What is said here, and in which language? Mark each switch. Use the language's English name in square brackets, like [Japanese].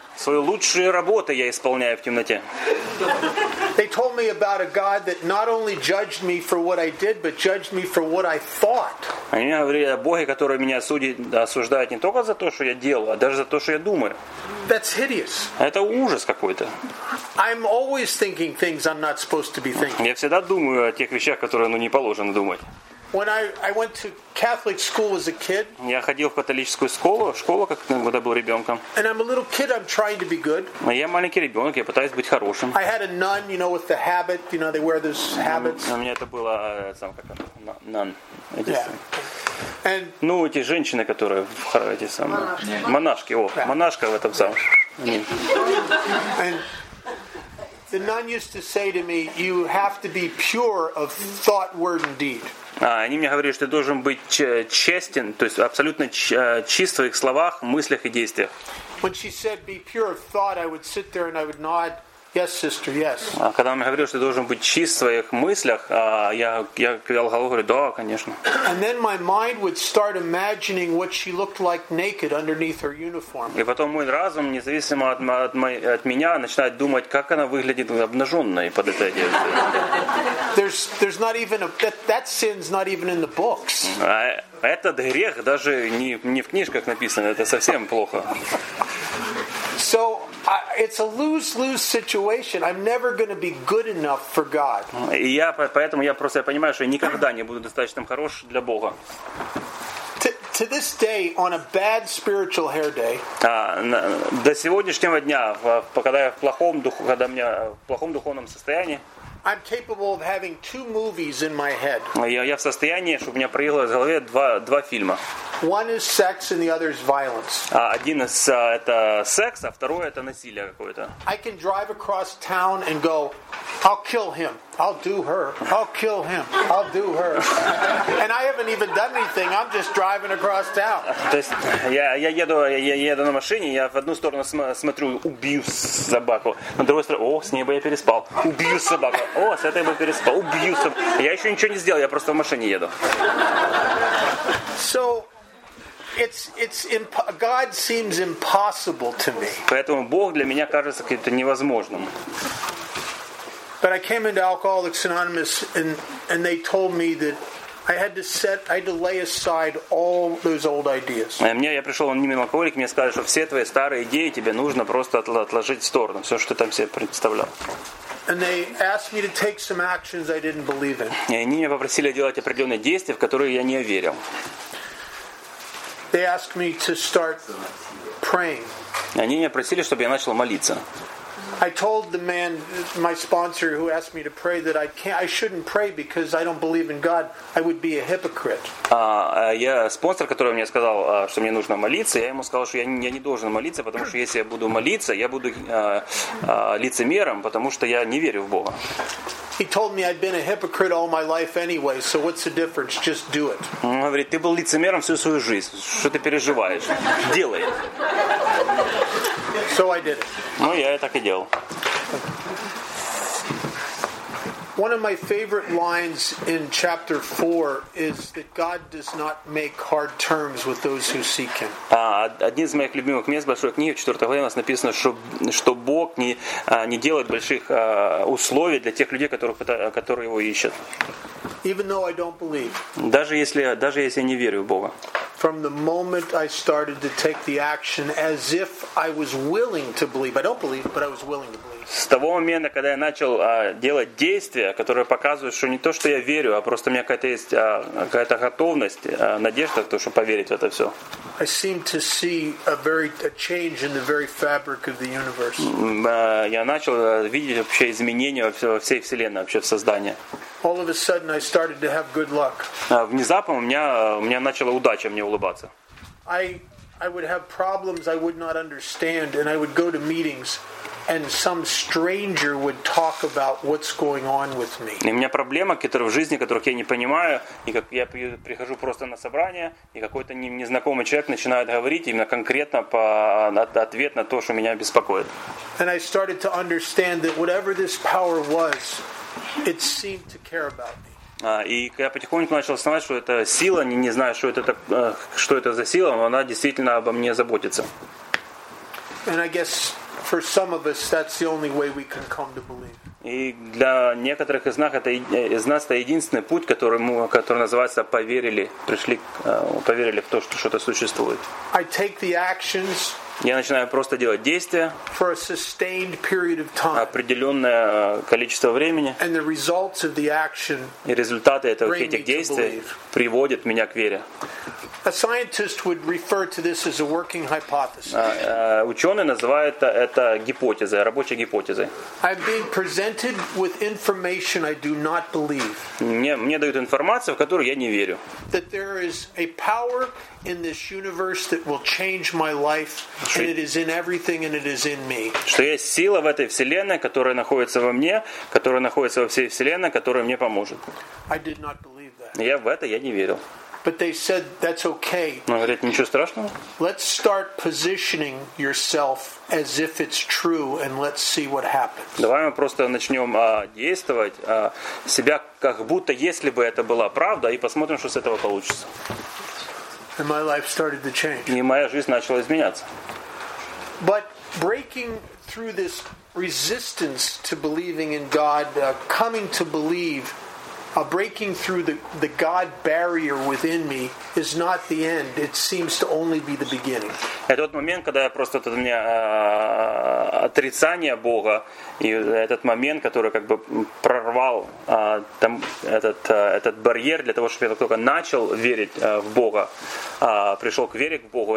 [Russian] Свою лучшую работу я исполняю в темноте. [English] They told me about a God that not only judged me for what I did, but judged me for what I thought. [Russian] Они говорили о Боге, который меня осуждает не только за то, что я делал, а даже за то, что я думаю. [English] That's hideous. [Russian] Это ужас какой-то. [English] I'm always thinking things I'm not supposed to be thinking. [Russian] Я всегда думаю о тех вещах, которые не положено думать. [English] When I went to Catholic school as a kid, [Russian] я ходил в католическую школу, как когда был ребенком. [English] And I'm a little kid, I'm trying to be good. [Russian] Я маленький ребенок, я пытаюсь быть хорошим. [English] I had a nun, you know, with the habit, you know, they wear those habits. [Russian] У меня это было сам как nun. [English] Yeah. And [Russian] эти женщины, которые в эти самые монашки, монашка в этом замуж. [English] The nun used to say to me, "You have to be pure of thought, word, and deed." [Russian] Они мне говорили, что ты должен быть честен, то есть абсолютно чист в своих словах, мыслях и действиях. [English] When she said, "Be pure of thought," I would sit there and I would nod, "Yes, sister, yes." [Russian] Когда она мне говорила, что ты должен быть чист в своих мыслях, я кивал головой, говорю, да, конечно. [English] And then my mind would start imagining what she looked like naked underneath her uniform. [Russian] И потом мой разум, независимо от меня, начинает думать, как она выглядит обнаженной под этой одеждой. [English] There's not even a that sin's not even in the books. [Russian] Этот грех даже не в книжках написан, это совсем плохо. [English] So It's a lose-lose situation. I'm never going to be good enough for God. [Russian] И я поэтому я просто я понимаю, что я никогда не буду достаточно хорош для Бога. [English] To this day, on a bad spiritual hair day. [Russian] До сегодняшнего дня, когда я в плохом духу, когда меня в плохом духовном состоянии. [English] I'm capable of having two movies in my head. [Russian] Я в состоянии, чтобы у меня проигрывалось в голове два фильма. [English] One is sex and the other is violence. [Russian] Один из это секс, а второй это насилие какое-то. [English] I can drive across town and go, I'll kill him. I'll do her. I'll kill him. I'll do her. And I haven't even done anything. I'm just driving across town. [Russian] То есть я еду на машине, я в одну сторону смотрю, убью собаку. На другую сторону, с ней бы я переспал. Убью собаку. С этой бы переспал. Убью собаку. Я еще ничего не сделал, я просто в машине еду. [English] So it's God seems impossible to me. [Russian] Поэтому Бог для меня кажется каким-то невозможным. [English] But I came into Alcoholics Anonymous and they told me that I had to lay aside all those old ideas. [Russian] Я пришел анонимный алкоголик, мне сказали, что все твои старые идеи тебе нужно просто отложить в сторону, все, что ты там себе представлял. [English] And they asked me to take some actions I didn't believe in. [Russian] И они меня попросили делать определенные действия, в которые я не верил. [English] They asked me to start praying. [Russian] И они меня просили, чтобы я начал молиться. [English] I told the man, my sponsor, who asked me to pray, that I shouldn't pray because I don't believe in God. I would be a hypocrite. [Russian] Я спонсор, который мне сказал, что мне нужно молиться, я ему сказал, что я не должен молиться, потому что если я буду молиться, я буду лицемером, потому что я не верю в Бога. [English] He told me I'd been a hypocrite all my life anyway, so what's the difference? Just do it. [Russian] Он говорит, ты был лицемером всю свою жизнь, что ты переживаешь? Делай. [English] So I did it. [Russian] Ну, я и так и делал. [English] One of my favorite lines in chapter 4 is that God does not make hard terms with those who seek him. [Russian] Одним из моих любимых мест большой книги, в 4 главе у нас написано, что Бог не делает больших условий для тех людей, которые его ищут. [English] Even though I don't believe. [Russian] Даже если я не верю в Бога. [English] From the moment I started to take the action as if I was willing to believe. I don't believe, but I was willing to believe. [Russian] С того момента, когда я начал делать действия, которые показывают, что не то, что я верю, а просто у меня какая-то готовность, надежда, то, что поверить в это все. [English] I seem to see a change in the very fabric of the universe. [Russian] Я начал видеть вообще изменения во всей Вселенной, вообще в создании. [English] All of a sudden I started to have good luck. [Russian] Внезапно у меня начала удача мне улыбаться. [English] I would have problems I would not understand, and I would go to meetings, and some stranger would talk about what's going on with me. [Russian] У меня проблемы, которые в жизни, которых я не понимаю, и как я прихожу просто на собрание, и какой-то незнакомый человек начинает говорить именно конкретно по ответ на то, что меня беспокоит. [English] And I started to understand that whatever this power was, it seemed to care about me. [Russian] И я потихоньку начал осознавать, что это сила, не знаю, что это за сила, но она действительно обо мне заботится. [English] And I guess for some of us that's the only way we can come to believe. [Russian] И для некоторых из нас это единственный путь, который называется поверили в то, что что-то существует. [English] I take the actions. [Russian] Я начинаю просто делать действия [English] for a sustained period of time. [Russian] Определенное количество времени. [English] And the results of the action. [Russian] И результаты этих действий приводят меня к вере. [English] A scientist would refer to this as a working hypothesis. [Russian] Ученый называет это гипотезой, рабочей гипотезой. [English] I'm being presented with information I do not believe. [Russian] Мне дают информацию, в которую я не верю. [English] That there is a power in this universe that will change my life, and it is in everything, and it is in me. [Russian] Что есть сила в этой вселенной, которая находится во мне, которая находится во всей вселенной, которая мне поможет. [English] I did not believe that. [Russian] Я в это я не верил. [English] But they said that's okay. [Russian] Но говорят, ничего страшного. [English] Let's start positioning yourself as if it's true, and let's see what happens. [Russian] Давай мы просто начнем действовать себя как будто если бы это была правда, и посмотрим, что с этого получится. [English] And my life started to change. [Russian] И моя жизнь начала изменяться. [English] But breaking through this resistance to believing in God, coming to believe, A breaking through the God barrier within me is not the end. It seems to only be the beginning. [Russian] Этот момент, когда я просто у меня отрицание Бога, и этот момент, который как бы прорвал там этот барьер для того, чтобы я только начал верить в Бога, пришел к вере к Богу.